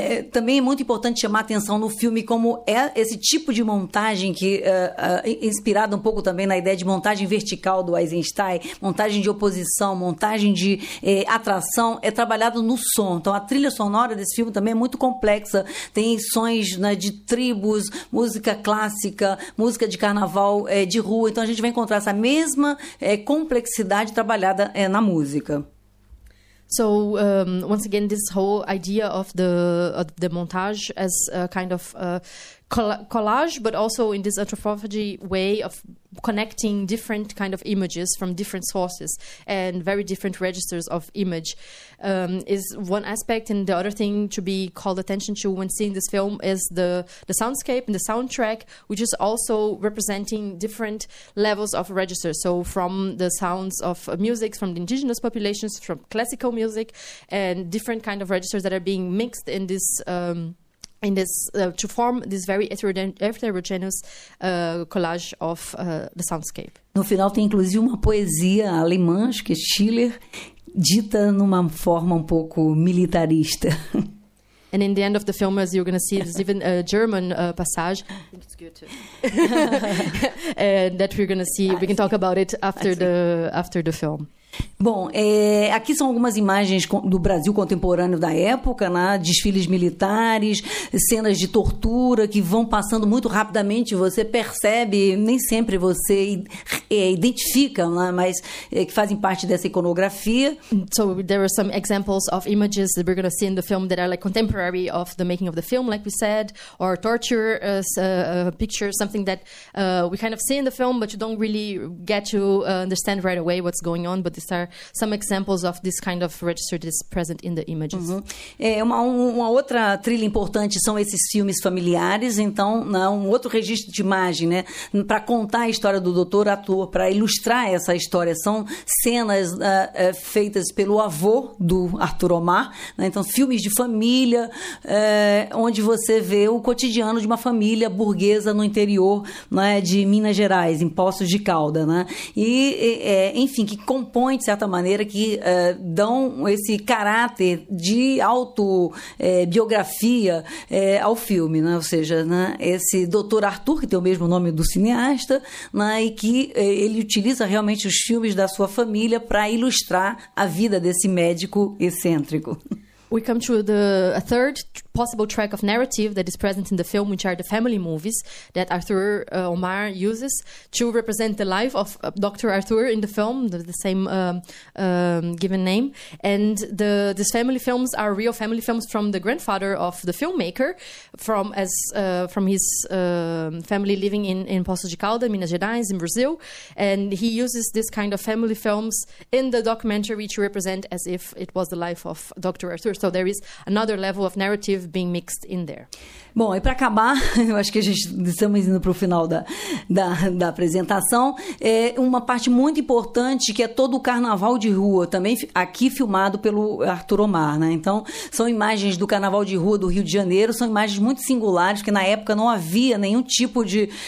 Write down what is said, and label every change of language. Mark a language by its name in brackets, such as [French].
[Portuguese] Também é muito importante chamar atenção no filme como é esse tipo de montagem que inspirado um pouco também na ideia de montagem vertical do Eisenstein, montagem de oposição, montagem de atração, é trabalhado no som. Então a trilha sonora desse filme também é muito complexa, tem sons, né, de tribos, música clássica, música de carnaval de rua. Então a gente vai encontrar essa mesma complexidade trabalhada na música. [English] So once again, this whole idea of the montage as a kind of collage, but also in this anthropophagy way of connecting different kind of images from different sources and very different registers of image, is one aspect. And the other thing to be called attention to when seeing this film is the soundscape and the soundtrack, which is also representing different levels of registers. So from the sounds of music from the indigenous populations, from classical music, and different kind of registers that are being mixed in this to form this very heterogeneous collage of the soundscape. No final tem inclusive uma poesia alemã, acho que é Schiller, dita numa forma um pouco militarista. And in the end of the film, as you're going to see, there's even a German passage. I think it's good too. And that we're going to see, we can talk about it after the film. [Portuguese] Bom, aqui são algumas imagens do Brasil contemporâneo da época, né? Desfiles militares, cenas de tortura que vão passando muito rapidamente, você percebe, nem sempre você identifica, né? Mas que fazem parte dessa iconografia. [English] So there are some examples of images that we're going to see in the film that are like contemporary of the making of the film, like we said, or torture as a picture, something that we kind of see in the film, but you don't really get to understand right away what's going on. But these are some examples of this kind of register that is present in the images. Uhum. [Portuguese] Uma outra trilha importante são esses filmes familiares, então, um outro registro de imagem, né, para contar a história do doutor ator, para ilustrar essa história. São cenas feitas pelo avô do Arthur Omar, né? Então, filmes de família, onde você vê o cotidiano de uma família burguesa no interior, né, de Minas Gerais, em Poços de Caldas, né? Enfim, que compõe de certa maneira, que dão esse caráter de autobiografia ao filme, né? Ou seja, né, esse doutor Arthur, que tem o mesmo nome do cineasta, né, e que ele utiliza realmente os filmes da sua família para ilustrar a vida desse médico excêntrico. [English] We come to a third possible track of narrative that is present in the film, which are the family movies that Arthur Omar uses to represent the life of Dr. Arthur in the film, the same given name. And these family films are real family films from the grandfather of the filmmaker, from his family living in Poços de Caldas, Minas Gerais, in Brazil. And he uses this kind of family films in the documentary to represent as if it was the life of Dr. Arthur. So there is another level of narrative being mixed in there. [Portuguese] Bom, e para acabar, eu acho que a gente estamos indo para o final da apresentação, é uma parte muito importante que é todo o carnaval de rua, também aqui filmado pelo Arthur Omar, né? Então, são imagens do carnaval de rua do Rio de Janeiro, são imagens muito singulares, que na época não havia nenhum tipo de...